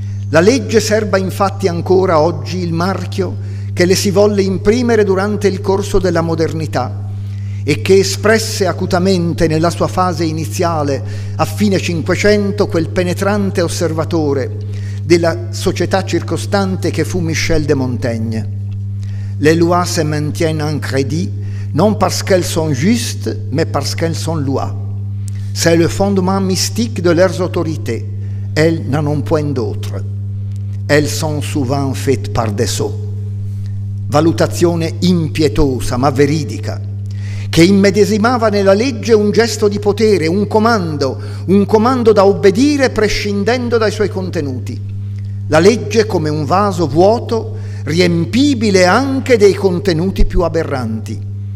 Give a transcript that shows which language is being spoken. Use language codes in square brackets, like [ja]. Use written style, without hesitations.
[it] La legge serba infatti ancora oggi il marchio che le si volle imprimere durante il corso della modernità e che espresse acutamente nella sua fase iniziale a fine Cinquecento quel penetrante osservatore della società circostante che fu Michel de Montaigne. [fr] Les lois se maintiennent en crédit non parce qu'elles sont justes, mais parce qu'elles sont lois. C'est le fondement mystique de leurs autorités. Elles n'en ont point d'autre. Elles sont souvent faites par des sots. [it] Valutazione impietosa ma veridica, che immedesimava nella legge un gesto di potere, un comando da obbedire prescindendo dai suoi contenuti. La legge come un vaso vuoto, riempibile anche dei contenuti più aberranti.